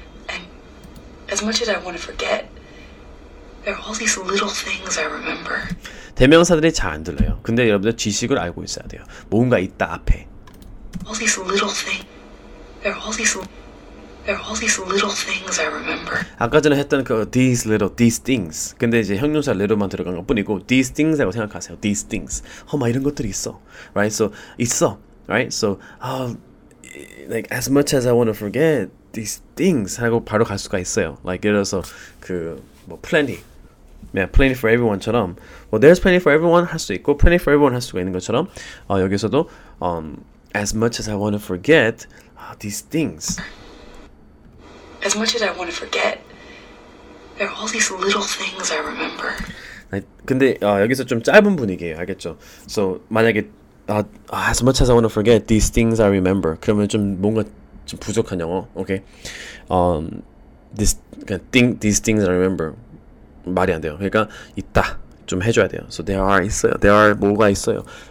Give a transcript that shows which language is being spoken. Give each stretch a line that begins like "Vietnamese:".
English: And as much as I want to forget. There are all these little things I remember.
Korean: 대명사들이 잘 안 들려요. 근데 여러분들 지식을 알고 있어야 돼요. 뭔가 있다 앞에.
English: All these little things. There are all these little things I remember.
Korean: 아까 전에 했던 그
English: these little these things.
Korean: 근데 이제 형용사 little만 들어간 것 뿐이고 these things라고 생각하세요.
English: These things.
Korean: 막 이런 것들이 있어. Right? So 있어. Right?
English: So like as much as I want to forget these things
Korean: 하고 바로 갈 수가 있어요.
English: Like
Korean: 예를 들어서 그 뭐
English: plenty. Yeah, plenty for everyone
Korean: 처럼
English: well, there's plenty for everyone
Korean: 할 수 있고
English: plenty for everyone
Korean: 할 수가 있는 것처럼 여기서도
English: as much as I want to forget these things as much as I want to forget there are all these little things I remember
Korean: 근데 여기서 좀 짧은 분위기예요 알겠죠?
English: So
Korean: 만약에
English: as much as I want to forget these things I remember
Korean: 그러면 좀 뭔가 좀 부족한 영어
English: okay? These things I remember
Korean: 말이 안 돼요. 그러니까 있다. 좀 해줘야 돼요.
English: So there are
Korean: 있어요.
English: There are
Korean: 뭐가 있어요.